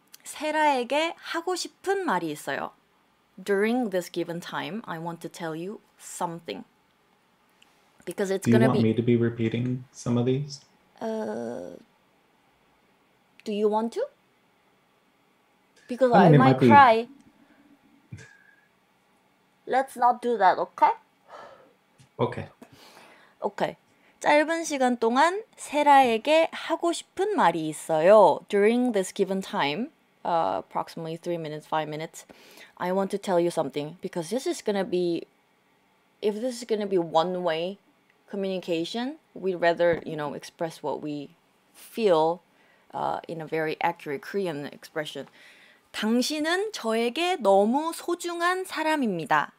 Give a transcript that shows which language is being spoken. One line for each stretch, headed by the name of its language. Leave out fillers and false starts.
Korean: 세라에게 하고 싶은 말이 있어요.
English: During this given time, I want to tell you something. Because it's going to be... Do you want me to be repeating some of these? Do you want to? Because I mean, might cry. Be... Let's not do that, okay? Okay. Okay.
Korean: 짧은 시간 동안 세라에게 하고 싶은 말이 있어요.
English: During this given time, approximately 3 minutes, 5 minutes, I want to tell you something. Because this is going to be, if this is going to be one-way communication, we'd rather, you know, express what we feel in a very accurate Korean expression.
Korean: 당신은 저에게 너무 소중한 사람입니다.